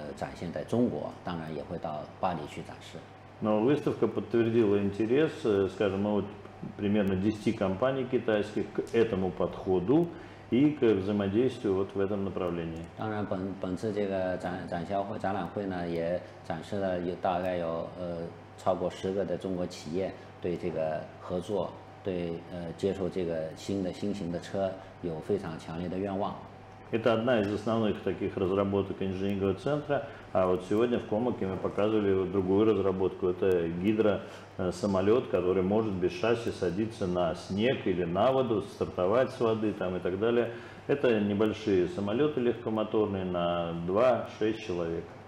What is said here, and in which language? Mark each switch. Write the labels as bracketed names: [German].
[Chinese] 我们把这个做好的这个车啊，是实际的实样车，把它展现在中国，当然也会到巴黎去展示。 [Russian] Но выставка подтвердила интерес, скажем, вот примерно 10 компаний китайских к этому подходу и к взаимодействию вот в этом направлении. [Chinese] 当然，本次这个展览会呢，也展示了有大概有超过10个的中国企业对这个合作，对接受这个新的车有非常强烈的愿望。 [Russian] Это одна из основных таких разработок инженерного центра, а вот сегодня в Комаке мы показывали другую разработку. Это гидросамолет, который может без шасси садиться на снег или на воду, стартовать с воды там и так далее. Это небольшие самолеты легкомоторные на 2-6 человек.